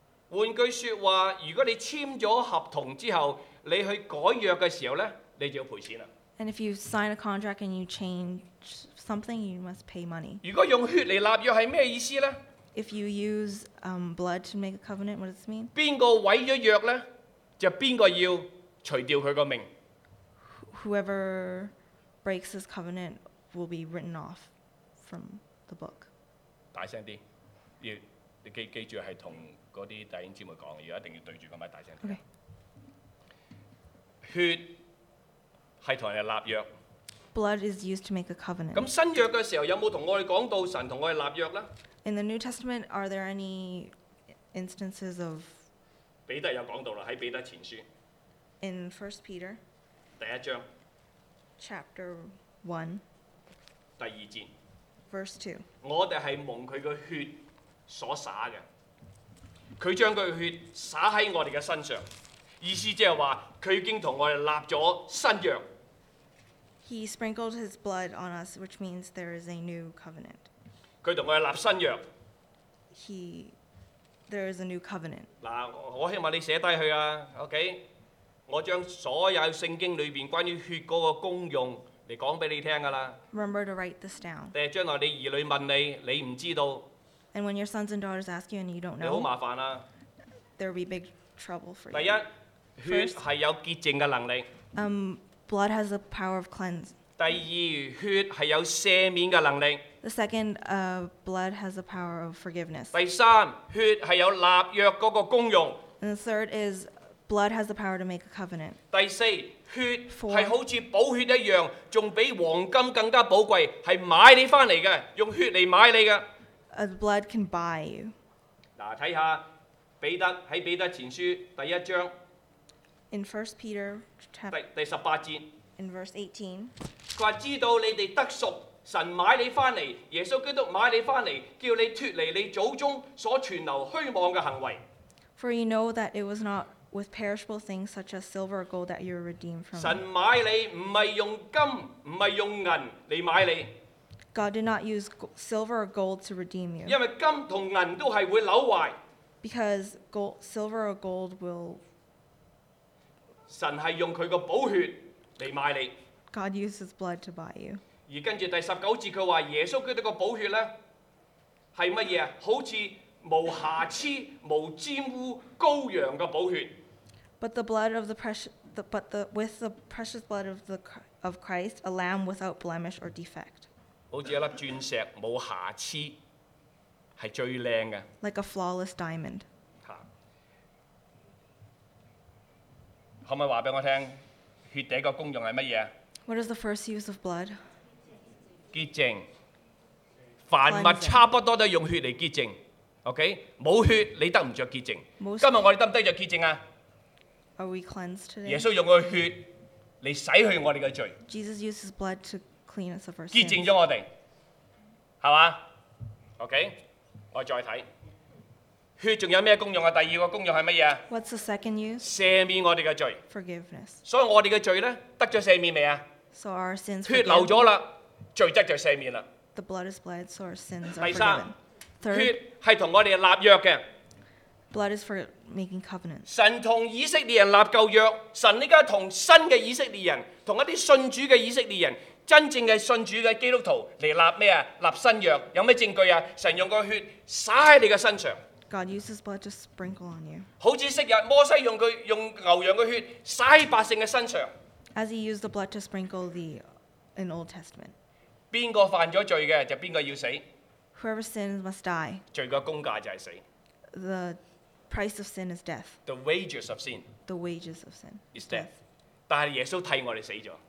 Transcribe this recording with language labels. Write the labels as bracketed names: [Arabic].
[Cantonese] 換句説話，如果你簽咗合同之後，你去改約嘅時候咧。 [English] And if you sign a contract and you change something, you must pay money. [Cantonese] 如果用血嚟立約係咩意思咧 [English] ？If you use blood to make a covenant, what does it mean? [Cantonese] 邊個毀咗約咧，就邊個要除掉佢個命。 [English] Whoever breaks this covenant will be written off from the book. [Cantonese] 大聲啲，要你記住係同嗰啲弟兄姊妹講，要一定要對住個麥大聲啲。 [English] Okay. [Cantonese] 血。係同人立約。 [English] Blood is used to make a covenant. [Cantonese] 咁新約嘅時候有冇同我哋講到神同我哋立約咧 [English] ？In the New Testament, are there any instances of? [Cantonese] 彼得有講到啦，喺彼得前書。 [English] In First Peter. [Cantonese] 第一章。 [English] Chapter one. [Cantonese] 第二節。 [English] Verse two. [Cantonese] 我哋係蒙佢嘅血所灑嘅，佢將佢血灑喺我哋嘅身上，意思即係話佢已經同我哋立咗新約。 [English] He sprinkled his blood on us, which means there is a new covenant. [Cantonese] 佢同我哋立新約。 [English] There is a new covenant. [Cantonese] 嗱，我希望你寫低佢啊 ，OK？我將所有聖經裏邊關於血嗰個功用嚟講俾你聽噶啦。 [English] Remember to write this down. [Cantonese] 定係將來你兒女問你，你唔知道。 [English] And when your sons and daughters ask you and you don't know, [Cantonese] 你好麻煩啊。 [English] There will be big trouble for you. [Cantonese] 第一，血係有潔淨嘅能力。 [English] Blood has the power of cleanse. [Cantonese] 第二，血係有赦免嘅能力。 [English] The second, blood has the power of forgiveness. [Cantonese] 第三，血係有立約嗰個功用。 [English] And the third is, blood has the power to make a covenant. [Cantonese] 第四，血係好似寶血一樣，仲比黃金更加寶貴，係買你翻嚟嘅，用血嚟買你嘅。 [English] Blood can buy you. [Cantonese] 嗱，睇下彼得喺彼得前書第一章。 [English] In First Peter [Cantonese] 第十八節 [English] ，in verse 18， [Cantonese] 佢話知道你哋得贖，神買你翻嚟，耶穌基督買你翻嚟，叫你脱離你祖宗所存留虛妄嘅行為。 [English] For you know that it was not with perishable things such as silver or gold that you were redeemed from. [Cantonese] 神買你唔係用金，唔係用銀嚟買你。 [English] God did not use silver or gold to redeem you. [Cantonese] 因為金同銀都係會扭壞。 [English] Because gold, silver or gold will [Cantonese] 神係用佢個寶血嚟買你。 [English] God used His blood to buy you. [Cantonese] 而跟住第十九節佢話耶穌基督個寶血咧係乜嘢？好似無瑕疵、無玷污羔羊嘅寶血。 [English] But the blood of the precious, but the with the precious blood of the of Christ, a lamb without blemish or defect. [Cantonese] 好似一粒鑽石無瑕疵，係最靚嘅。 [English] Like a flawless diamond. [Cantonese] 可唔可以話俾我聽，血第一個功用係乜嘢 [English] ？What is the first use of blood？ [Cantonese] 潔淨，凡物差不多都用血嚟潔淨。 OK， 冇血你得唔著潔淨。今日我哋得唔得著潔淨啊 [English] ？Are we cleansed today？ [Cantonese] 耶穌用佢血嚟洗去我哋嘅罪。 [English] Jesus used his blood to clean us of our sins。 [Cantonese] 潔淨咗我哋，係嘛 ？OK， 我再睇。血仲有咩功用啊？第二個功用係乜嘢 [English] ？What's the second use？ [Cantonese] 赦免我哋嘅罪。 [English] Forgiveness。 [Cantonese] 所以我哋嘅罪咧，得咗赦免未啊 [English] ？So our sins。 [Cantonese] 血流咗啦，罪得就赦免啦。 [English] The blood is bled, so our sins are forgiven. [Cantonese] 第三，血係同我哋立約嘅。 [English] Blood is for making covenant. [Cantonese] 神同以色列人立舊約，神依家同新嘅以色列人，同一啲信主嘅以色列人，真正嘅信主嘅基督徒嚟立咩啊？立新約，有咩證據啊？神用個血灑喺你嘅身上。 [English] God uses blood to sprinkle on you. [Cantonese] 好似昔日摩西用佢用牛羊嘅血洒喺百姓嘅身上。 [English] As he used the blood to sprinkle the in Old Testament. [Cantonese] 边个犯咗罪嘅就边个要死。 [English] Whoever sins must die. [Cantonese] 罪嘅公价就系死。 [English] The price of sin is death. The wages of sin. The wages of sin is death. [Cantonese] 但系耶稣替我哋死咗。